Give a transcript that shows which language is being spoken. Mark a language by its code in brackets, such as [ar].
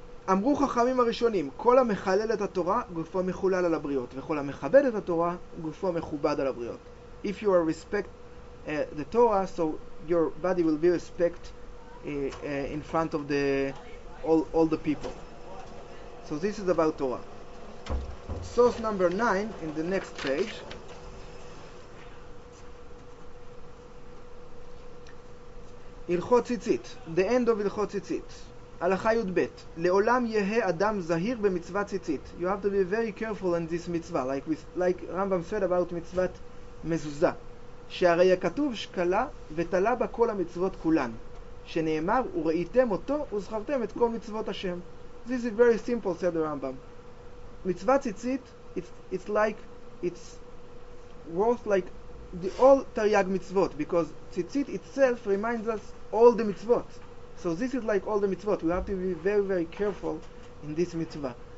[he] אמרו חכמים הראשונים, כל המחלל את התורה גופו מחולל על הבריות, וכל המכבד את התורה גופו מכובד על הבריות. [en] If you are respect the Torah, so your body will be respect in front of the all the people. So this is about Torah. Source number 9 in the next page. Ilchot Tzitzit, the end of Ilchot Tzitzit. [he] Halacha Yud Bet, Le'olam Yehe Adam Zahir B'Mitzvah Tzitzit. [en] You have to be very careful in this mitzvah, like Rambam said about mitzvat mezuzah. [he] She'arei ha'katuv shkala v'tala b'kol ha'mitzvot kulan. שנאמר, וראיתם אותו, וזכרתם את כל מצוות השם. [en] This is very simple, said the Rambam. מצוות ציצית, it's like, it's worth like the all תרי"ג מצוות, because ציצית itself reminds us all the מצוות. So this is like all the מצוות. We have to be very, very careful in this מצווה.